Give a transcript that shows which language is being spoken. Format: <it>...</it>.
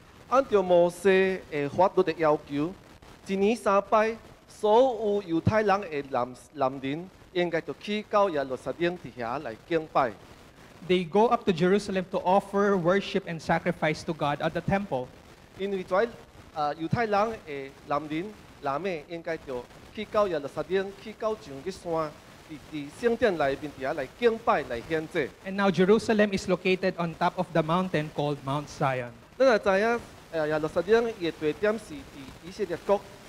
<nan>按照摩西的法律的要求，一年三拜。所有犹太人的男人应该就去到耶路撒冷底下来敬拜。</nan> <en>They go up to Jerusalem to offer worship and sacrifice to God at the temple.</en> <nan>因为跩犹太人的男的应该就去到耶路撒冷，去到上个山，伫圣殿内面底下来敬拜来献祭。</nan> <en>And now Jerusalem is located on top of the mountain called Mount Zion.</en> <nan>咱也知影，耶路撒冷伊地点是伫以色列国。</nan>